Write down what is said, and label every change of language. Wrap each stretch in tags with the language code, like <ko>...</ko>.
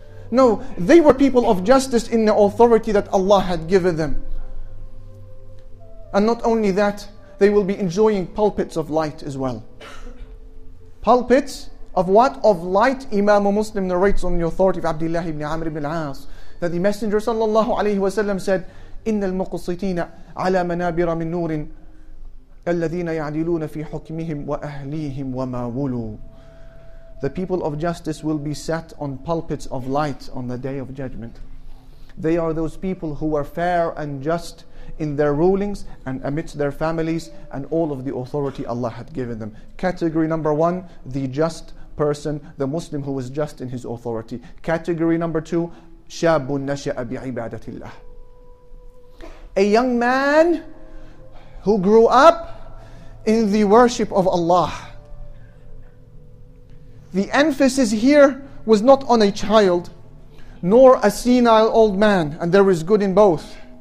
<en>No, they were people of justice in the authority that Allah had given them. And not only that, they will be enjoying pulpits of light as well. Pulpits of what? Of light. Imam Muslim narrates on the authority of Abdullah ibn Amr ibn al-As that the Messenger</en> <ar>صلى الله عليه وسلم</ar> <en>said,</en> <ar>إن المقصتين على منابر من نور الذين يعدلون في حكمهم وأهليهم وما ولوا.</ar> <en>The people of justice will be sat on pulpits of light on the day of judgment. They are those people who are fair and just in their rulings and amidst their families and all of the authority Allah had given them. Category number one, the just person, the Muslim who is just in his authority. Category number two,</en> <ar>شاب نشأ بعبادة الله.</ar> <en>A young man who grew up in the worship of Allah. The emphasis here was not on a child, nor a senile old man, and there is good in both.</en>